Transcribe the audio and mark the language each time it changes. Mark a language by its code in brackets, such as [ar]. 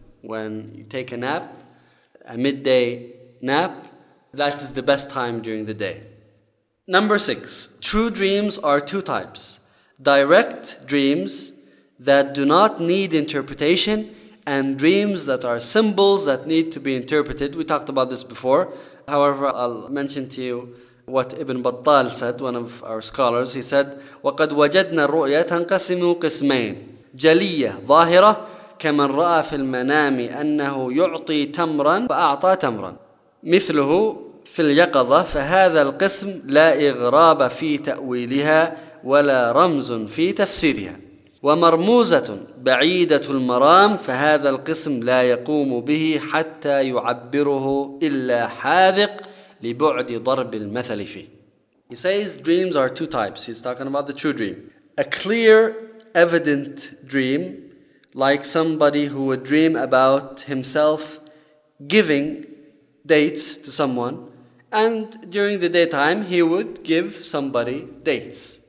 [en] When you take a nap, a midday nap, that is the best time during the day. Number 6, true dreams are 2 types. Direct dreams that do not need interpretation, and dreams that are symbols that need to be interpreted. We talked about this before. However, I'll mention to you what Ibn Battal said, one of our scholars. He said, [ar] وَقَدْ وَجَدْنَا الرُّؤْيَا تَنْقَسِمُوا قِسْمَيْنَ جَلِيَّةً ظَاهِرَةً كَمَنْ رَأَى فِي الْمَنَامِ أَنَّهُ يُعْطِي تَمْرًا فَأَعْطَى تَمْرًا مِثْلُهُ فِي الْيَقَظَةِ فَهَذَا الْقِسْمُ لَا إِغْرَابَ فِي تَأْوِيلِهَا وَلَا رَمْزٌ فِي تَفْسِيرِهَا ومرموزة بعيدة المرام فهذا القسم لا يقوم به حتى يعبره إلا حاذق لبعد ضرب المثل فيه. [en] He says dreams are 2 types. He's talking about the true dream. A clear, evident dream, like somebody who would dream about himself giving dates to someone, and during the daytime he would give somebody dates.